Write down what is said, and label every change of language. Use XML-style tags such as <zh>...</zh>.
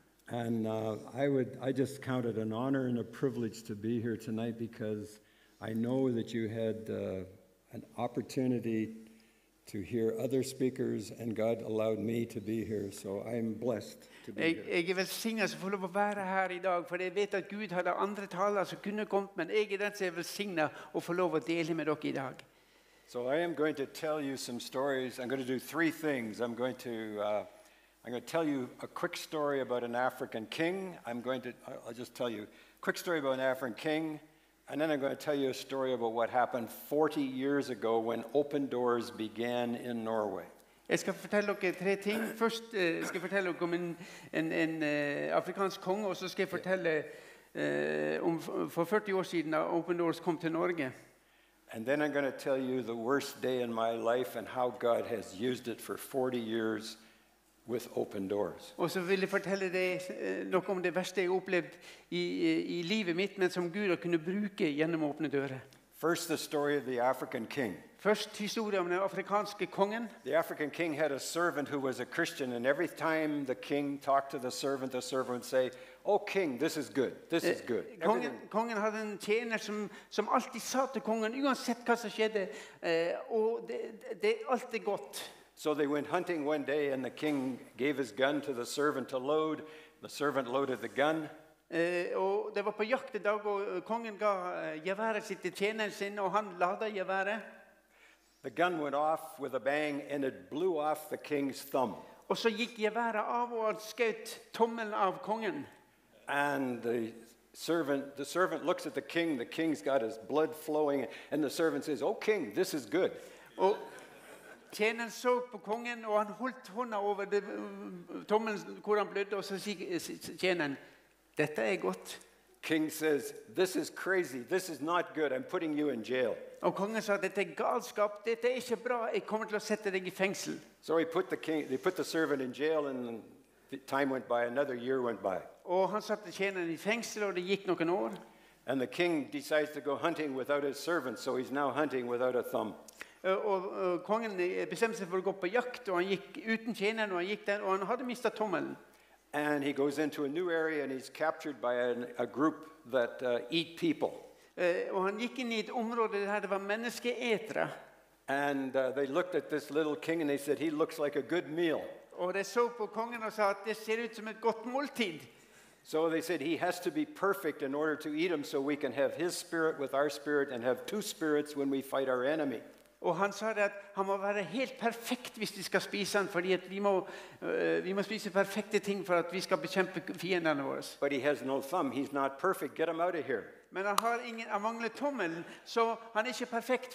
<en>And I just count it an honor and a privilege to be here tonight because I know that you had an opportunity to hear other speakers and God allowed me to be here, so I'm blessed to be here.</en> <sv>Jag är välsignad för att vara här idag, för jag vet att Gud hade andra talare som kunde komma, men jag är den som är välsignad och får lov att dela med dig idag.</sv> <en>So I am going to tell you some stories. I'm going to do three things. I'm going to tell you a quick story about an African king. And then I'm going to tell you a story about what happened 40 years ago when open doors began in Norway.</en> <sv>Jag ska fortälla dig tre ting. Först ska jag fortälla om en afrikansk kung och så ska jag fortälla om för 40 år sedan när open doors kom till Norge.</sv> <en>And then I'm going to tell you the worst day in my life and how God has used it for 40 years with open doors.</en> <sv>Och så vill jag fortälla dig något om det värsta jag upplevt i livet mitt men som Gud har kunnat bruka genom öppna dörrar.</sv> <en>First the story of the African king.</en> <sv>Först historien om den afrikanske kungen.</sv> <en>The African king had a servant who was a Christian and every time the king talked to the servant would say, "Oh king, this is good. This is good."</en> <sv>Kungen hade en tjänare som alltid sa till kungen oavsett vad som skedde, och det är alltid gott.</sv> <en>So they went hunting one day and the king gave his gun to the servant to load. The servant loaded the gun.</en> <sv>Och det var på jakt en dag och kungen gav geväret sitt till tjänaren sin och han laddade geväret.</sv> <en>The gun went off with a bang and it blew off the king's thumb.</en> <sv>Och så gick geväret av och sköt tummen av kungen.</sv> <en>And the servant looks at the king. The king's got his blood flowing and the servant says, "Oh king, this is good."</en> <sv>Och tjänaren såg på kungen och han höll hånden över tummen hur han blödde och så säger tjänaren, "Detta är gott."</sv> <en>King says, "This is crazy. This is not good. I'm putting you in jail."</en> <sv>Och kungen sa, "Detta är galskap. Detta är inte bra. Jag kommer att sätta dig i fängsel."</sv> <en>So he put the king, they put the servant in jail, and time went by. Another year went by.</en> <sv>Och han satte tjänaren i fängsel och det gick några år.</sv> <en>And the king decides to go hunting without his servant, so he's now hunting without a thumb.</en> <sv>Och kungen bestämde sig för att gå på jakt och han gick utan tjänaren och han gick där och han hade mistat tummen.</sv> <en>And he goes into a new area and he's captured by a group that eat people.</en> <sv>Och han gick in i ett område där det var människoätare.</sv> <en>And they looked at this little king and they said, "He looks like a good meal."</en> <sv>Och de såg på kungen och sa att det ser ut som ett gott måltid.</sv> <en>So they said he has to be perfect in order to eat him so we can have his spirit with our spirit and have two spirits when we fight our enemy.</en> <sv>Och han sa att han måste vara helt perfekt hvis vi ska spisa han för att vi måste spisa perfekta ting för att vi ska bekämpa fienden vår.</sv> <en>But he has no thumb. He's not perfect. Get him out of here.</en> <sv>Men han har ingen, han manglar tummen, så han är inte perfekt.</sv>